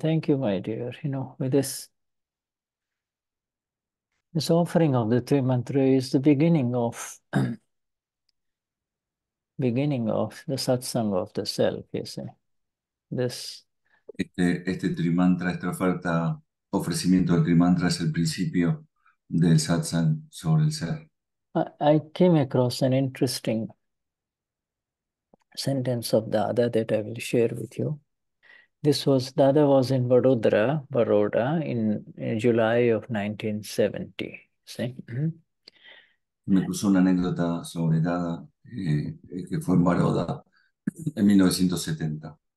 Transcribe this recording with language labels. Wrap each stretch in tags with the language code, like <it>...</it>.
<en>Thank you, my dear, you know, with this. This offering of the three mantras is the beginning of beginning of the satsang of the self, you see. This</en> <es>este trimantra, esta oferta, ofrecimiento del trimantra es el principio del satsang sobre el ser.</es> <en>I came across an interesting sentence of Dada that I will share with you. This was, Dada was in Baroda in July of 1970.</en> <es>Me puso una anécdota sobre Dada que fue en Baroda en 1970.</es>